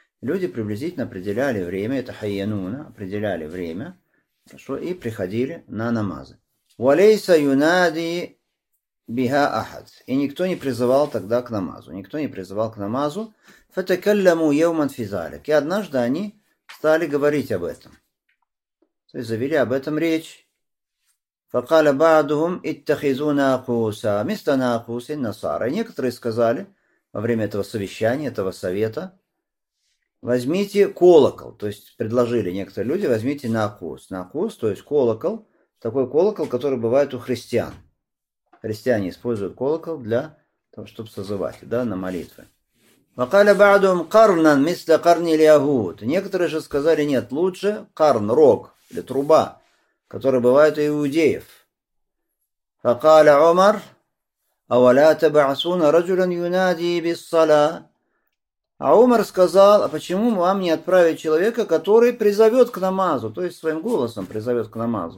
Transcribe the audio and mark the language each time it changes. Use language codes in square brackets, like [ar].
[ru] Люди приблизительно определяли время, это хайянуна, определяли время, хорошо, и приходили на намазы. [ar] Валейса юнади биха ахад. [ru] И никто не призывал тогда к намазу. Никто не призывал к намазу. [ar] Фатакалляму йауман физалик. [ru] И однажды они стали говорить об этом. То есть завели об этом речь. [ar] فقال بعضهم اتخذوا ناقوسا مثل ناقوس النصارى. [ru] Некоторые сказали во время этого совещания, этого совета, возьмите колокол. То есть предложили некоторые люди, возьмите наакус. Наакус, то есть колокол. Такой колокол, который бывает у христиан. Христиане используют колокол для того, чтобы созывать, да, на молитвы. [ar] فقال بعضهم قرنا مثل قرن اليهود. [ru] Некоторые же сказали, нет, лучше карн, рог или труба, которые бывают у иудеев. [ar] Факаля Умар, аваля табасуна раджулян юнади биссала. [ru] А Умар сказал, а почему вам не отправить человека, который призовет к намазу, то есть своим голосом призовет к намазу.